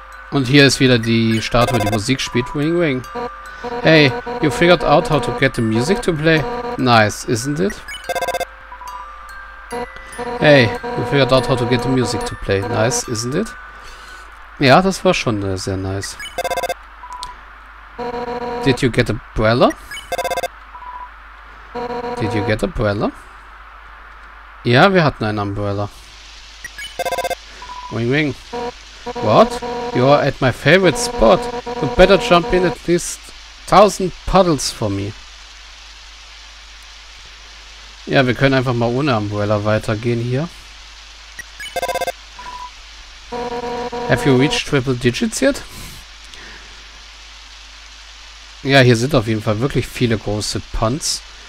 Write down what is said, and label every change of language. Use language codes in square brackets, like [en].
[de] Und hier ist wieder die Statue, die Musik spielt. Wing wing. [en] Hey, you figured out how to get the music to play? Nice, isn't it? Hey, you figured out how to get the music to play. Nice, isn't it? [de] Ja, das war schon sehr nice. [en] Did you get a umbrella? Did you get a umbrella? [de] Ja, wir hatten einen Umbrella. [en] Wing wing. What? You are at my favorite spot. You better jump in at least 1000 puddles for me. [de] Ja, wir können einfach mal ohne Umbrella weitergehen hier. [en] Have you reached triple digits yet? [de] Ja, hier sind auf jeden Fall wirklich viele große Punts.